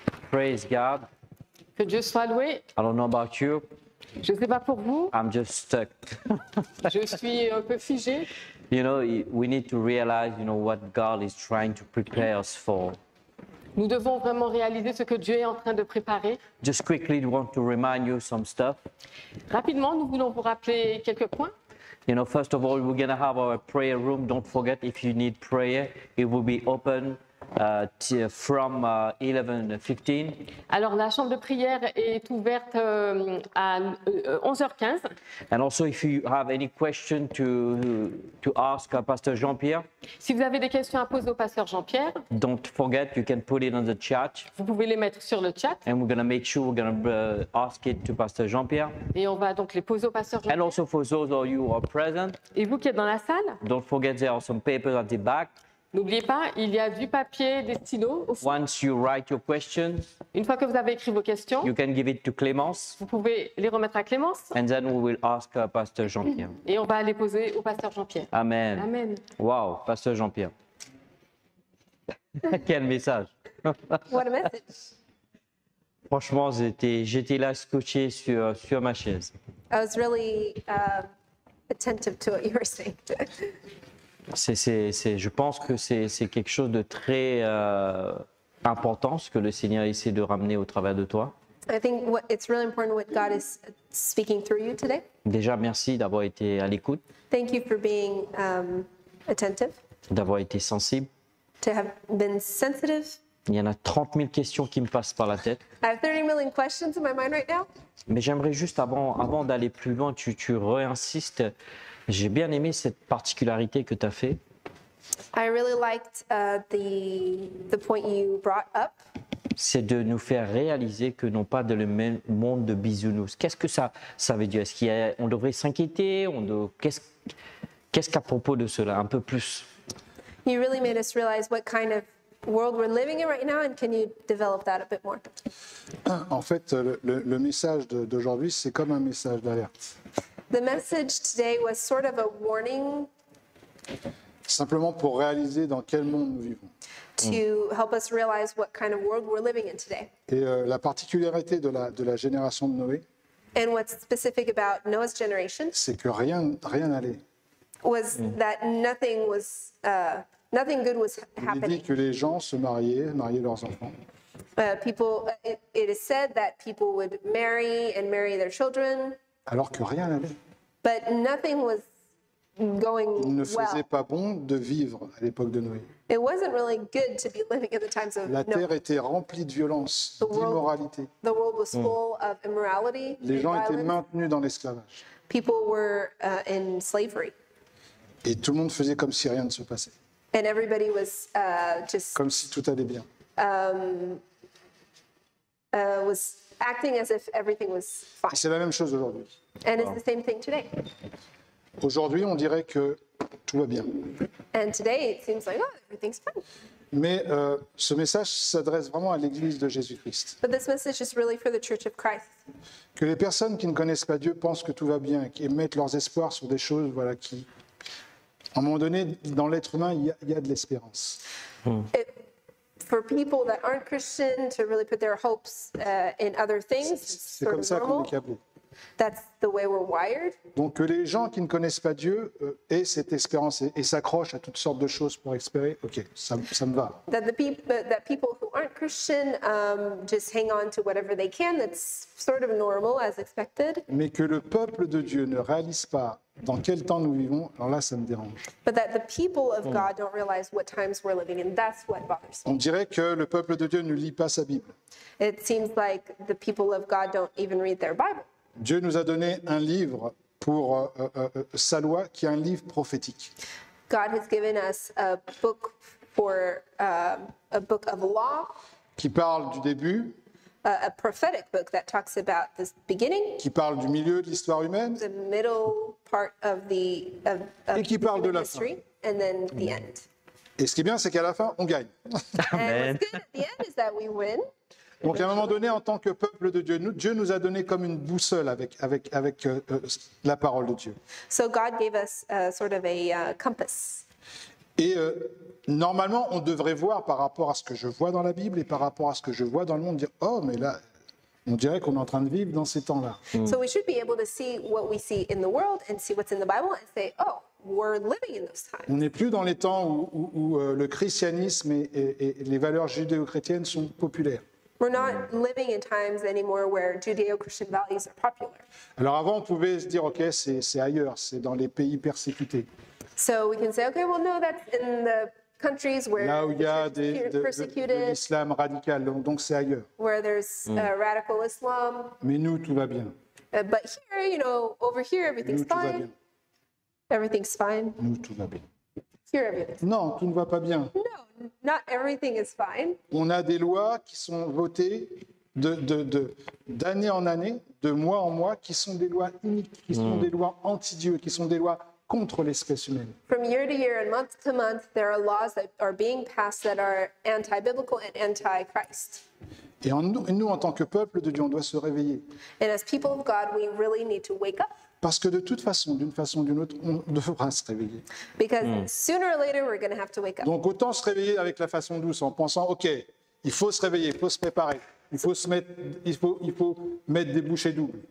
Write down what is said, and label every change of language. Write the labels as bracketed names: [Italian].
[English] Praise God. [French] Que Dieu soit loué. [English] I don't know about you. [French] Je ne sais pas pour vous. [English] I'm just stuck. [French] Je suis un peu figé. [English] You know, we need to realize, you know, what God is trying to prepare us for. [French] Nous devons vraiment réaliser ce que Dieu est en train de préparer. [English] Just quickly, we want to remind you some stuff. [French] Rapidement, nous voulons vous rappeler quelques points. [English] You know, first of all, we're going to have our prayer room. Don't forget, if you need prayer, it will be open from 11:15. [French] Alors, la chambre de prière est ouverte à 11h15. [English] And also, if you have any question to ask Pastor Jean-Pierre. [French] Si vous avez des questions à poser au Pasteur Jean-Pierre. [English] Don't forget, you can put it on the chat. [French] Vous pouvez les mettre sur le chat. [English] And we're going to make sure we're going to ask it to Pasteur Jean-Pierre. [French] Et on va donc les poser au Pasteur Jean-Pierre. [English] And also for those of you who are present. [French] Et vous qui êtes dans la salle. [English] Don't forget, there are some papers at the back. [French] N'oubliez pas, il y a du papier, des stylos. [English] Once you write your questions, [French] une fois que vous avez écrit vos questions, [English] you can give it to Clémence. [French] Vous pouvez les remettre à Clémence. [English] And then we will ask Pasteur Jean-Pierre. [French] Et on va les poser au Pasteur Jean-Pierre. [English] Amen. Amen. Wow, Pasteur Jean-Pierre. [French] Quel message. [English] What a message. [French] Franchement, j'étais là scotché sur ma chaise. [English] I was really attentive to what you were saying. [French] Je pense que c'est quelque chose de très important ce que le Seigneur essaie de ramener au travers de toi. [English] I think it's really important what God is speaking through you today. [French] Déjà, merci d'avoir été à l'écoute. [English] Thank you for being attentive. [French] D'avoir été sensible. [English] To have been sensitive. [French] Il y en a 30 000 questions qui me passent par la tête. [English] I have 30 million questions in my mind right now. [French] Mais j'aimerais juste, avant d'aller plus loin, tu réinsistes. J'ai bien aimé cette particularité que tu as fait. [English] I really liked the point you brought up. [French] C'est de nous faire réaliser que non pas dans le même monde de bisounours. Qu'est-ce que ça veut dire? Est-ce qu'on devrait s'inquiéter? Qu'est-ce qu'à propos de cela? Un peu plus. [English] You really made us realize what kind of world we're living in right now, and can you develop that a bit more? [French] En fait, le message d'aujourd'hui, c'est comme un message d'alerte. [English] The message today was sort of a warning. [French] Simplement pour réaliser dans quel monde nous vivons. [English] To help us realize what kind of world we're living in today. [French] Et la particularité de la génération de Noé. [English] And what's specific about Noah's generation? [French] C'est que rien n'allait. [English] Was that nothing was nothing good was happening? [French] Il dit que les gens se mariaient leurs enfants. [English] It is said that people would marry and marry their children. [French] Alors que rien n'allait. [English] But nothing was going well. [French] Il ne faisait pas bon de vivre à l'époque de Noé. [English] It wasn't really good to be living in the times of Noah. [French] La terre était remplie de violence, d'immoralité. [English] The world was full of immorality. [French] Les gens étaient maintenus dans l'esclavage. [English] People were in slavery. [French] Et tout le monde faisait comme si rien ne se passait. [English] And everybody was just [French] comme si tout allait bien. [English] Was acting as if everything was fine. [French] Et c'est la même chose aujourd'hui. [English] And it's the same thing today. [French] Aujourd'hui, on dirait que tout va bien. [English] And today, it seems like, oh, everything's fine. [French] Mais ce message s'adresse vraiment à l'Église de Jésus-Christ. [English] But this message is really for the Church of Christ. [French] Que les personnes qui ne connaissent pas Dieu pensent que tout va bien et mettent leurs espoirs sur des choses voilà, qui, à un moment donné, dans l'être humain, il y a de l'espérance. [English] For people that aren't Christian, to really put their hopes in other things, [French] c'est comme ça qu'on est câblé. [English] That's the way we're wired. [French] Donc que les gens qui ne connaissent pas Dieu aient cette espérance et s'accrochent à toutes sortes de choses pour espérer, ok, ça me va. [English] That the people who aren't Christian just hang on to whatever they can, that's sort of normal as expected. [French] Mais que le peuple de Dieu ne réalise pas dans quel temps nous vivons, alors là, ça me dérange. [English] But that the people of God don't realize what times we're living in, that's what bothers me. [French] On dirait que le peuple de Dieu ne lit pas sa Bible. [English] It seems like the people of God don't even read their Bible. [French] Dieu nous a donné un livre pour sa loi, qui est un livre prophétique. [English] God has given us a book for a book of law. [French] Qui parle du début. [English] A prophetic book that talks about the beginning. [French] Qui parle du milieu de l'histoire humaine. [English] The middle part of the of [French] et qui parle [English] the [French] de la [English] history, [French] fin. [English] And then the end. [French] Et ce qui est bien, c'est qu'à la fin, on gagne. [English] And what's good at the end is that we win. [French] Donc à un moment donné, en tant que peuple de Dieu, Dieu nous a donné comme une boussole avec la parole de Dieu. [English] So God gave us a sort of a compass. [French] Et normalement, on devrait voir par rapport à ce que je vois dans la Bible et par rapport à ce que je vois dans le monde, dire « Oh, mais là, on dirait qu'on est en train de vivre dans ces temps-là. » [English] So we should be able to see what we see in the world and see what's in the Bible and say « Oh, we're living in those times. » [French] On n'est plus dans les temps où le christianisme et les valeurs judéo-chrétiennes sont populaires. [English] We're not living in times anymore where Judeo-Christian values are popular. [French] Alors avant, on pouvait se dire, ok, c'est ailleurs, c'est dans les pays persécutés. [English] So we can say, okay, well, no, that's in the countries where [French] là où il y a de l'islam radical, donc c'est ailleurs. [English] Where there's radical Islam. [French] Mais nous, tout va bien. [English] But here, you know, over here, everything's [French] nous, tout [English] fine. [French] Va bien. [English] Everything's fine. [French] Nous, tout va bien. [English] Here, everything's [French] non, tout ne va pas bien. [English] No. Not everything is fine. [French] On a des lois qui sont votées de d'année en année, de mois en mois, qui sont des lois iniques, qui sont des lois anti-Dieu, qui sont des lois contre l'espèce humaine. [English] From year to year and month to month, there are laws that are being passed that are anti-biblical and anti-Christ. [French] Et nous, en tant que peuple de Dieu, on doit se réveiller. [English] And as people of God, we really need to wake up. [French] Parce que de toute façon, d'une façon ou d'une autre, on devra se réveiller. [English] Because sooner or later, we're going to have to wake up. [French] Donc autant se réveiller avec la façon douce, en pensant, ok, il faut se réveiller, il faut se préparer, il faut mettre des bouchées doubles.